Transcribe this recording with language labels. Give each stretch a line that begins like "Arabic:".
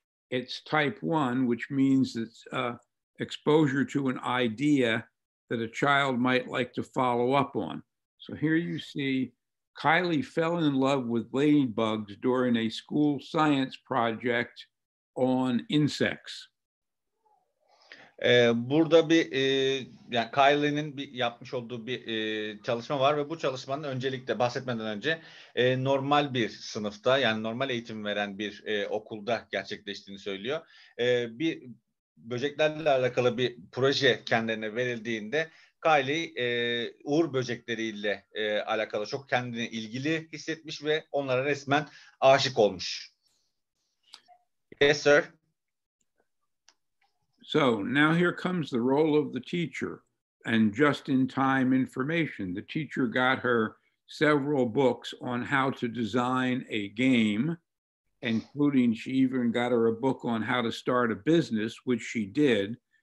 English: It's type one, which means it's exposure to an idea that a child might like to follow up on. So here you see Kylie fell in love with ladybugs during a school science project on insects.
Turkish: Burada bir yani Kylie'nin bir yapmış olduğu bir çalışma var ve bu çalışmanın öncelikle bahsetmeden önce normal bir sınıfta, yani normal eğitim veren bir okulda gerçekleştiğini söylüyor. Bir böceklerle alakalı bir proje kendilerine verildiğinde Kylie uğur böcekleriyle alakalı çok kendini ilgili hissetmiş ve onlara resmen aşık olmuş.
English: Yes, sir. So now here comes the role of the teacher and just-in-time information. The teacher got her several books on how to design a game, including she even got her a book on how to start a business, which she did.